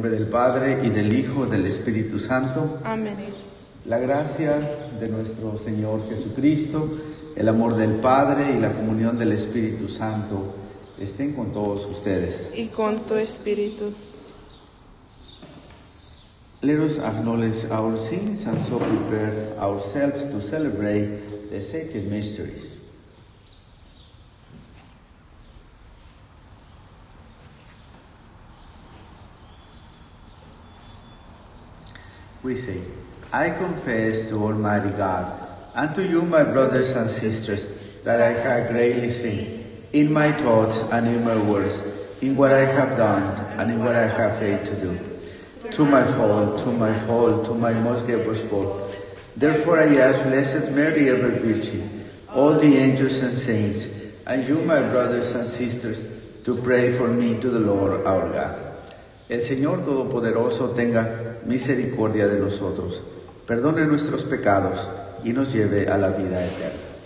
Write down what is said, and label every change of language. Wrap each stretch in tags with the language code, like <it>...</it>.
<es>Padre, y del Hijo, y del Espíritu Santo. Amén. La gracia de nuestro Señor Jesucristo, el amor del Padre y la comunión del Espíritu Santo estén con todos ustedes. Y con tu espíritu.</es> <en>Let us acknowledge our sins and so prepare ourselves to celebrate the sacred mysteries. We say, I confess to Almighty God and to you, my brothers and sisters, that I have greatly sinned in my thoughts and in my words, in what I have done and in what I have failed to do. To my fault, to my most grievous fault. Therefore, I ask Blessed Mary, ever Virgin, all the angels and saints, and you, my brothers and sisters, to pray for me to the Lord our God.</en> <es>El Señor Todopoderoso tenga misericordia de nosotros, perdone nuestros pecados y nos lleve a la vida eterna.</es>